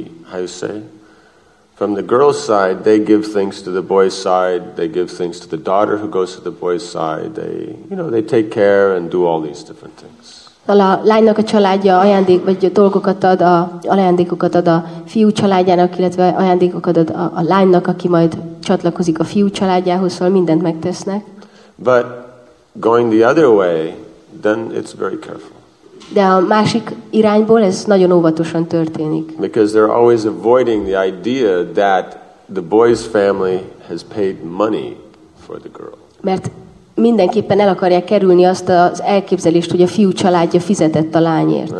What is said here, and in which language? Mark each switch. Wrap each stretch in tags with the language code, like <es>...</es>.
<en>From the girl's side, they give things to the boy's side. They give things to the daughter who goes to the boy's side. They, you know, they take care and do all these different things.</en> <hu>A lánynak a családja ajándék vagy dolgokat ad, ajándékokat ad a fiú családjának, illetve ajándékokat ad a lánynak, aki majd csatlakozik a fiú családjához, szóval mindent megtesznek.</hu> <en>But going the other way, then it's very careful.</en> <hu>De a másik irányból ez nagyon óvatosan történik.</hu> <en>Because they're always avoiding the idea that the boy's family has paid money for the girl.</en> <hu>Mert mindenképpen el akarják kerülni azt az elképzelést, hogy a fiú családja fizetett a lányért.</hu>